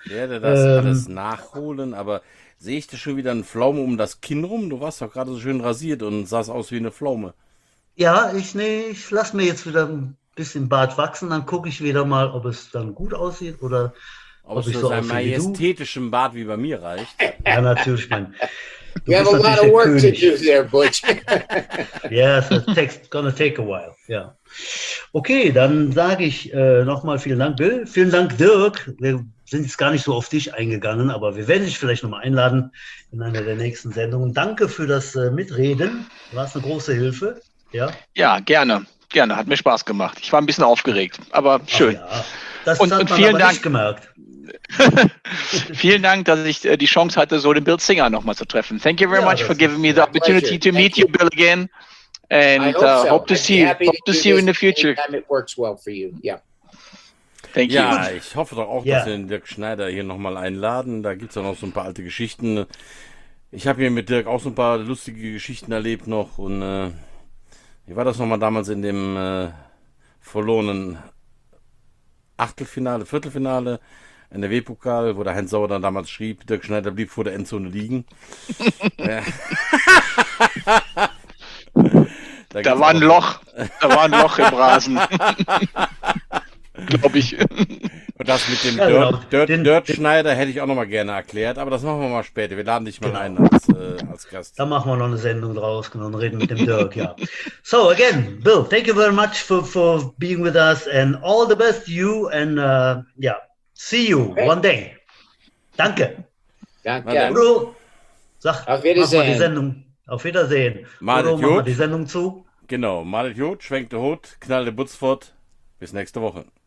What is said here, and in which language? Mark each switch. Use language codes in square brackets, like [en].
[de] Ich werde das alles nachholen. Aber sehe ich dir schon wieder einen Pflaumen um das Kinn rum? Du warst doch gerade so schön rasiert und sahst aus wie eine Pflaume. Ja, ich lasse mir jetzt wieder ein bisschen Bart wachsen. Dann gucke ich wieder mal, ob es dann gut aussieht oder ob es so aussieht wie du. Ob es einem majestätischen Bart wie bei mir reicht. Ja, natürlich, mein... [en] Du, you have a lot of work König to do there, Butch. Yes, it's gonna take a while. Yeah. [de] Okay, dann sage ich nochmal vielen Dank, Bill. Vielen Dank, Dirk. Wir sind jetzt gar nicht so auf dich eingegangen, aber wir werden dich vielleicht nochmal einladen in einer der nächsten Sendungen. Danke für das Mitreden. Du warst eine große Hilfe. Ja, ja, gerne. Gerne, hat mir Spaß gemacht. Ich war ein bisschen aufgeregt, aber schön. Ach, ja. Das und, hat und man vielen aber Dank nicht gemerkt. Vielen Dank, dass ich die Chance hatte, so den Bill Singer nochmal zu treffen. [en] Thank you very much for giving me the opportunity to meet you, Bill, again. And hope to see you in the future. It works well for you. Yeah. Thank you. [de] Ja, ich hoffe doch auch, dass wir den Dirk Schneider hier nochmal einladen. Da gibt es ja noch so ein paar alte Geschichten. Ich habe hier mit Dirk auch so ein paar lustige Geschichten erlebt noch. Und wie war das nochmal damals in dem verlorenen Achtelfinale, Viertelfinale? NRW-Pokal, wo der Heinz Sauer dann damals schrieb, Dirk Schneider blieb vor der Endzone liegen. da war ein Loch. Da war ein Loch im Rasen. Glaube ich. Und das mit dem Dirk Schneider hätte ich auch nochmal gerne erklärt, aber das machen wir mal später. Wir laden dich mal ein als Gast. Da machen wir noch eine Sendung draus und reden mit dem Dirk, ja. [en] So, again, Bill, thank you very much for being with us and all the best to you and yeah. See you one day. [de] Danke. Danke. Udo, sag, auf Wiedersehen. Mach mal die Sendung. Auf Wiedersehen. Udo, mach mal die Sendung zu. Genau. Malet Jod, schwenkt der Hut, knallt der Butz fort. Bis nächste Woche.